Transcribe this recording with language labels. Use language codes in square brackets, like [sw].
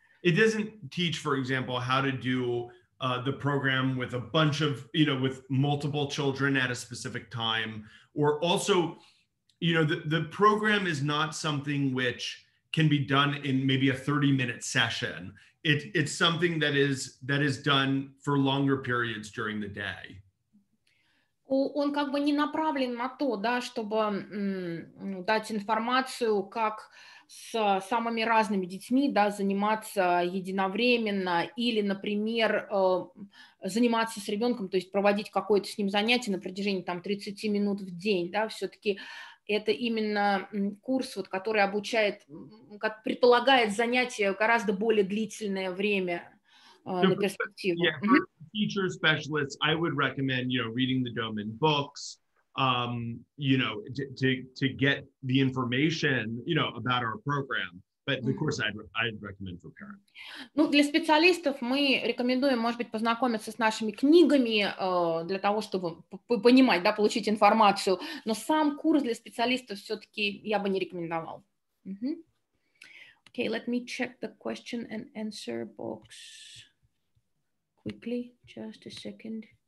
[en] It doesn't teach, for example, how to do the program with a bunch of, you know, with multiple children at a specific time. Or also, you know, the program is not something which can be done in maybe a 30-minute session. It's something that is done for longer periods during the day. [ru] Он как бы не направлен на то, да, чтобы дать информацию, как с самыми разными детьми, да, заниматься единовременно или, например, заниматься с ребенком, то есть проводить какое-то с ним занятие на протяжении там 30 минут в день, да, все-таки это именно курс, вот, который обучает, как предполагает занятие гораздо более длительное время на перспективу. [en] Teacher specialists, I would recommend, you know, reading the Doman books, you know, to get the information, you know, about our program. But of course, I'd recommend for parents. [ru] Ну, для специалистов мы рекомендуем, может быть, познакомиться с нашими книгами для того, чтобы понимать, да, получить информацию. Но сам курс для специалистов все-таки я бы не рекомендовал. [en] Okay, let me check the question and answer box. quickly, just a second.